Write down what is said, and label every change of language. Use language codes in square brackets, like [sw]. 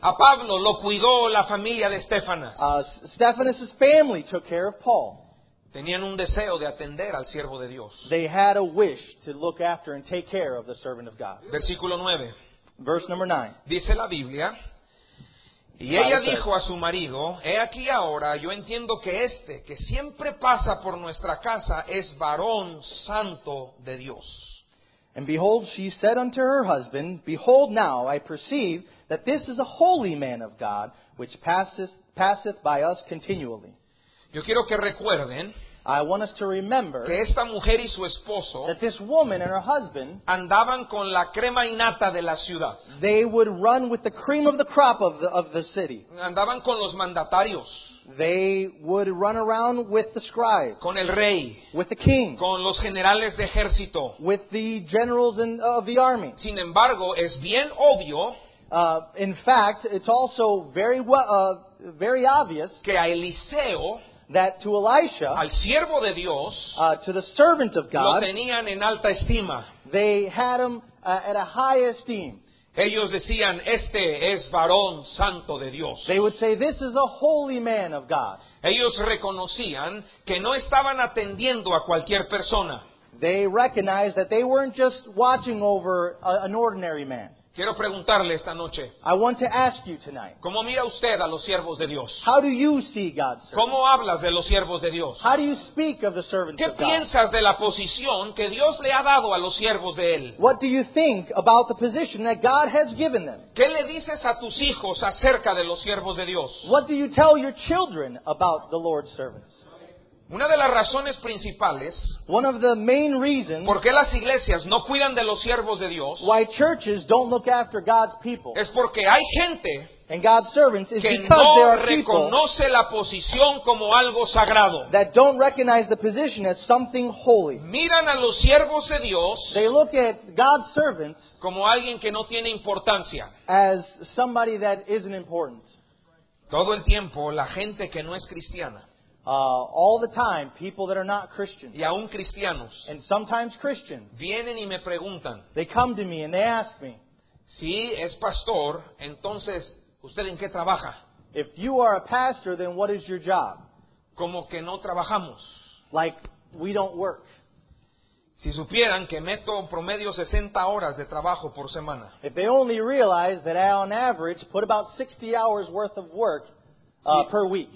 [es] A Pablo lo cuidó la familia de Stephanas. [en] Stephanas' family took care of Paul. [es] Tenían un deseo de atender al siervo de Dios. [en] They had a wish to look after and take care of the servant of God. [es] Versículo 9. [en] Verse number 9. [es] Dice la Biblia, y ella dijo a su marido, he aquí ahora, yo entiendo que este que siempre pasa por nuestra casa es varón santo de Dios. [en] And behold, she said unto her husband, behold now, I perceive that this is a holy man of God, which passeth by us continually. [es] Yo quiero que recuerden, [en] I want us to remember, [es] que esta mujer y su esposo, [en] that this woman and her husband, [es] andaban con la crema innata de la ciudad. [en] They would run with the cream of the crop of the city. [es] Andaban con los mandatarios. [en] They would run around with the scribe. [es] Con el rey. [en] With the king. [es] Con los generales de ejército. [en] With the generals of the army. [es] Sin embargo, es bien obvio, [en] in fact, it's also very well, very obvious, [es] que a Eliseo, [en] that to Elisha, [es] al siervo de Dios, [en] to the servant of God, [es] lo tenían en alta estima. [en] They had him at a high esteem. [es] Ellos decían, este es varón santo de Dios. [en] They would say, this is a holy man of God. [es] Ellos reconocían que no estaban atendiendo a cualquier persona. [en] They recognized that they weren't just watching over an ordinary man. [es] Quiero preguntarle esta noche. [en] I want to ask you tonight. [es] ¿Cómo mira usted a los siervos de Dios? [en] How do you see God's servant? [es] ¿Cómo hablas de los siervos de Dios? [en] How do you speak of the servants [es] ¿Qué Piensas de la posición que Dios le ha dado a los siervos de Él? [en] What do you think about the position that God has given them? [es] ¿Qué le dices a tus hijos acerca de los siervos de Dios? [en] What do you tell your children about the Lord's servants? [es] Una de las razones principales, [en] one of the main reasons, [es] por qué las iglesias no cuidan de los siervos de Dios, [en] why churches don't look after God's people, [es] es porque hay gente, [en] and God's servants, is [es] que [en] because [es] no [en] there are [es] reconoce [en] people [es] la posición como algo sagrado, [en] that don't recognize the position as something holy. [es] Miran a los siervos de Dios, [en] they look at God's servants, [es] como alguien que no tiene importancia, [en] as somebody that isn't important. [es] Todo el tiempo la gente que no es cristiana, [en] all the time, people that are not Christians, [es] y aún cristianos, [en] and sometimes Christians, [es] vienen y me preguntan, [en] they come to me and they ask me, [es] Si es pastor, entonces, ¿usted en qué trabaja? [en] If you are a pastor, then what is your job? [es] Como que no trabajamos. [en] Like, we don't work. [es] Si supieran que meto promedio 60 horas de trabajo por semana. [en] If they only realize that I, on average, put about 60 hours worth of work per week.